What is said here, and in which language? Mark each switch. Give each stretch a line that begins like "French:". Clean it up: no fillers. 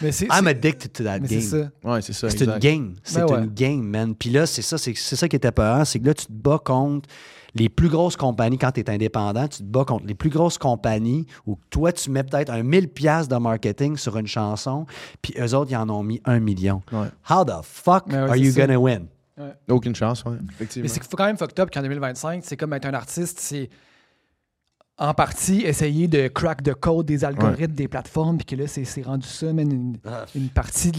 English: I'm addicted to that game.
French: C'est une game, man. Puis là, c'est ça qui était peurant, c'est que là, tu te bats contre les plus grosses compagnies quand tu es indépendant, tu te bats contre les plus grosses compagnies où toi, tu mets peut-être un 1 000 $ de marketing sur une chanson, puis eux autres, ils en ont mis 1 000 000. Ouais.
English: How the fuck are you gonna win?
French: Ouais. Aucune chance, oui. Mais c'est quand même fucked up qu'en 2025, c'est comme être un artiste, c'est... en partie, essayer de crack the code des algorithmes, des plateformes, puis que là, c'est rendu ça, mais une partie de...